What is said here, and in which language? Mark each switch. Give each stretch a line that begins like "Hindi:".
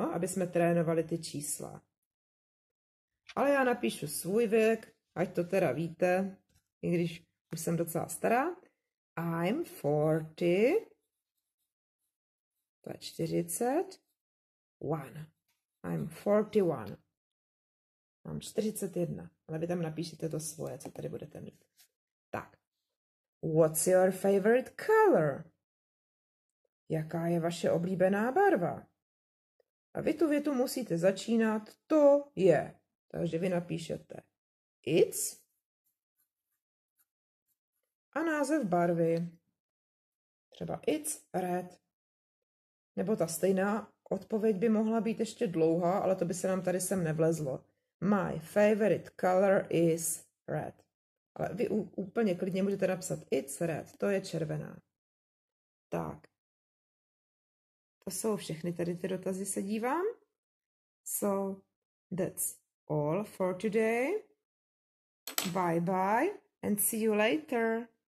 Czech: Aby jsme trénovali ty čísla. Ale já napíšu svůj věk, ať to teda víte, i když už jsem docela stará.
English: I'm 40.
Czech: To je 41.
English: I'm 41.
Czech: Mám 41. Ale vy tam napíšete to svoje, co tady budete mít. Tak.
English: What's your favorite color?
Czech: Jaká je vaše oblíbená barva? A vy tu větu musíte začínat. To je. Takže vy napíšete.
English: It's.
Czech: A název barvy. Třeba
English: it's red.
Czech: Nebo ta stejná odpověď by mohla být ještě dlouhá, ale to by se nám tady sem nevlezlo.
English: My favorite color is red.
Czech: Ale vy úplně klidně můžete napsat
English: it's red,
Czech: to je červená. Tak, to jsou všechny tady ty dotazy, se dívám.
English: So, that's all for today. Bye bye and see you later.